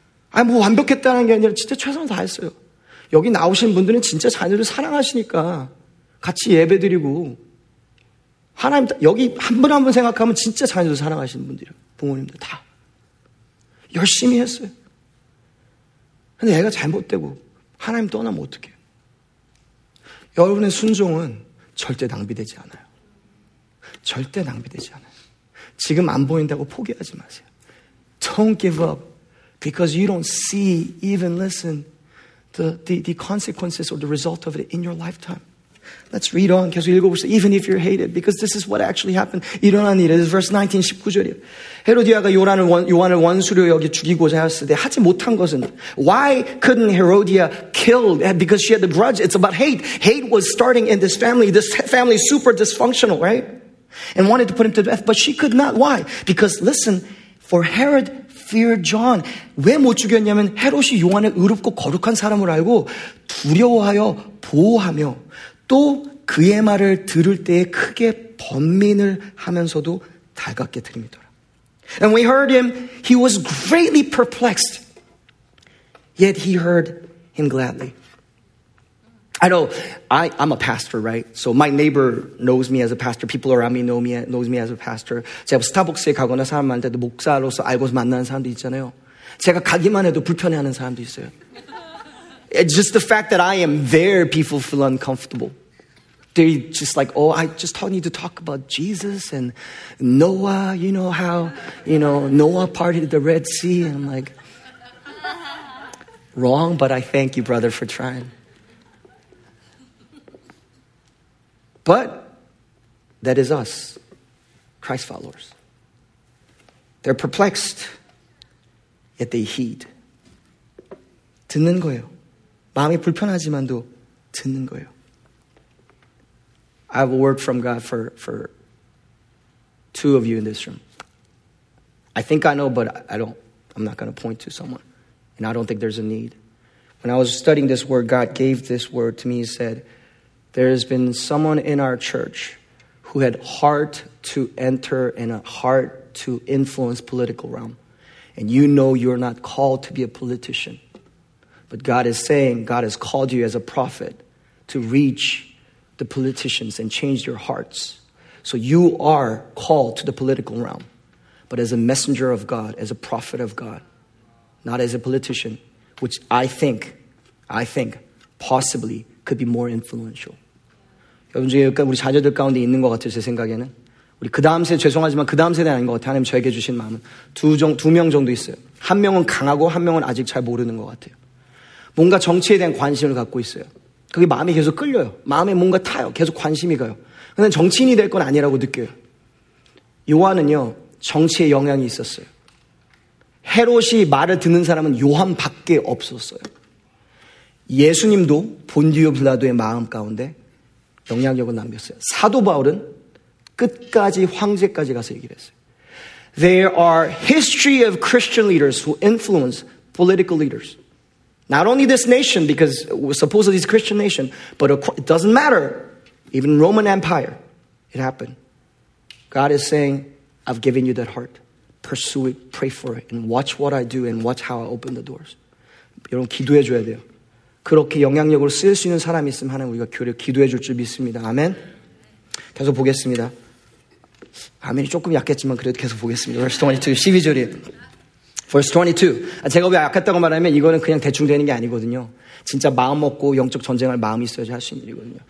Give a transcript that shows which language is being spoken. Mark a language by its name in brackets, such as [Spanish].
[Korean] 아니 뭐 완벽했다는 게 아니라 진짜 최선을 다했어요. 여기 나오신 분들은 진짜 자녀를 사랑하시니까 같이 예배드리고 하나님 여기 한 분 한 분 생각하면 진짜 자녀들 사랑하시는 분들이에요. 부모님들 다. 열심히 했어요. 근데 애가 잘못되고 하나님 떠나면 어떡해요? 여러분의 순종은 절대 낭비되지 않아요. 절대 낭비되지 않아요. 지금 안 보인다고 포기하지 마세요. [English] Don't give up because you don't see, even listen the consequences or the result of it in your lifetime. Let's read on. [Korean] 계속 읽어보시죠. [English] Even if you're hated, because this is what actually happened. [Korean] 일어난 일. [English] This is verse 19, [Korean] 19절이요. 헤로디아가 요한을 원수로 여기 죽이고자 했을 때 하지 못한 것은 [English] Why couldn't Herodia kill? Because she had the grudge. It's about hate. Hate was starting in this family. This family is super dysfunctional, right? And wanted to put him to death. But she could not. Why? Because listen, for Herod feared John. [Korean] 왜 못 죽였냐면 헤롯이 요한을 의롭고 거룩한 사람을 알고 두려워하여 보호하며 또 그의 말을 들을 때에 크게 번민을 하면서도 달갑게 들이미더라. [English] And we heard him, he was greatly perplexed. Yet he heard him gladly. I know, I'm a pastor, right? So my neighbor knows me as a pastor. People around me knows me as a pastor. [Korean] 제가 스타벅스에 가거나 사람 만날 때도 목사로서 알고서 만나는 사람도 있잖아요. 제가 가기만 해도 불편해하는 사람도 있어요. [English] It's just the fact that I am there, people feel uncomfortable. They're just like, oh, I just need to talk about Jesus and Noah, you know how, you know, Noah parted the Red Sea. And I'm like, wrong, but I thank you, brother, for trying. But that is us, Christ followers. They're perplexed, yet they heed. 듣는 거예요. 마음이 불편하지만도 듣는 거예요. I have a word from God for two of you in this room. I think I know, but I don't. I'm not going to point to someone. And I don't think there's a need. When I was studying this word, God gave this word to me. He said, there has been someone in our church who had heart to enter and a heart to influence political realm. And you know you're not called to be a politician. But God is saying, God has called you as a prophet to reach the politicians and change their hearts. So you are called to the political realm, but as a messenger of God, as a prophet of God, not as a politician, which I think possibly could be more influential. [Korean] 여러분 중에 우리 자녀들 가운데 있는 것 같아요, 제 생각에는. 우리 그 다음 세대, 죄송하지만 그 다음 세대는 아닌 것 같아요. 하나님 저에게 주신 마음은 두 명 정도 있어요. 한 명은 강하고 한 명은 아직 잘 모르는 것 같아요. 뭔가 정치에 대한 관심을 갖고 있어요. 그게 마음이 계속 끌려요. 마음에 뭔가 타요. 계속 관심이 가요. 근데 정치인이 될 건 아니라고 느껴요. 요한은요, 정치에 영향이 있었어요. 헤롯이 말을 듣는 사람은 요한밖에 없었어요. 예수님도 본디오 빌라도의 마음 가운데 영향력을 남겼어요. 사도 바울은 끝까지 황제까지 가서 얘기를 했어요. [English] There are history of Christian leaders who influence political leaders. Not only this nation, because supposedly it's a Christian nation, but it doesn't matter. Even Roman Empire, it happened. God is saying, I've given you that heart. Pursue it, pray for it, and watch what I do, and watch how I open the doors. [Korean] 여러분, 기도해 줘야 돼요. 그렇게 영향력으로 쓰일 수 있는 사람이 있으면 하나님 우리가 교류 기도해 줄 줄 믿습니다. 아멘. 계속 보겠습니다. 아멘이 조금 약했지만 그래도 계속 보겠습니다. [English] Verse 22, [Korean] 12절이에요. [English] Verse 22. [Korean] 제가 왜 약했다고 말하면 이거는 그냥 대충 되는 게 아니거든요. 진짜 마음 먹고 영적 전쟁할 마음이 있어야 할 수 있는 일이거든요.